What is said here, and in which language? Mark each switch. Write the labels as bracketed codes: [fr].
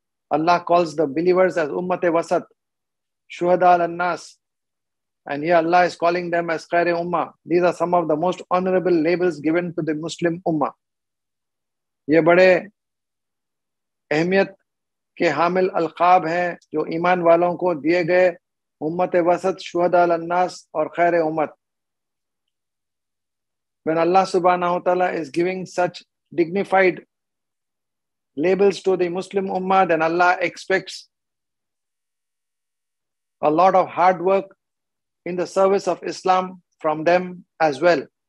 [en] Allah calls the believers as Ummat-e-Wasat, Shuhada al-Nas, and here Allah is calling them as Khayre Ummah. These are some of the most honorable labels given to the Muslim Ummah. [ur] Ye bade اہمیت کے حامل القاب ہیں جو ایمان والوں کو دیے گئے, امت وسط, شہداء الناس اور خیر امت. [en] When Allah سبحانہ وتعالیٰ is giving such dignified labels to the Muslim Ummah, then Allah expects a lot of hard work in the service of Islam from them as well.